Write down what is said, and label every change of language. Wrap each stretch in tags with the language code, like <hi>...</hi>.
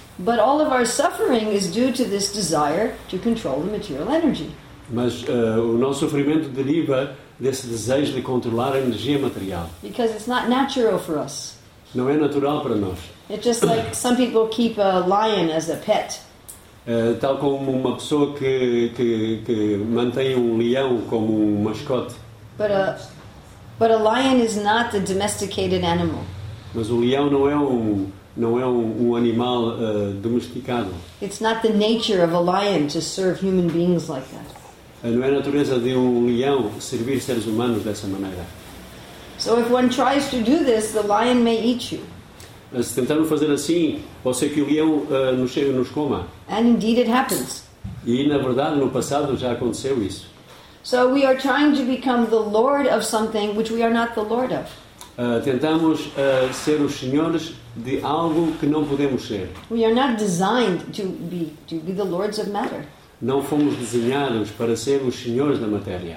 <en>But all of our suffering is due to this desire to control the material energy.</en> <pt>Mas o nosso sofrimento deriva desse desejo de controlar a energia material.</pt> <en>Because it's not natural for us.</en> <pt>Não é natural para nós.</pt> <en>It's just like some people keep a lion as a pet.</en> <pt>Tal como uma pessoa que mantém um leão como um mascote.</pt> <en>But a lion is not a domesticated animal.</en> <pt>Mas o leão não é um animal domesticado.</pt> <en>It's not the nature of a lion to serve human beings like that.</en> <pt>Não é a natureza de um leão servir seres humanos dessa maneira.</pt> <en>So if one tries to do this, the lion may eat you.</en> <pt>Se tentarmos fazer assim, pode ser que o leão nos coma.</pt> <en>And indeed it happens.</en> <pt>E na verdade, no passado já aconteceu isso.</pt> <en>So we are trying to become the lord of something which we are not the lord of.</en> <pt>Tentamos ser os senhores de algo que não podemos ser.</pt> <en>We are not designed to be the lords of matter.</en> <pt>Não fomos desenhados para ser os senhores da matéria.</pt>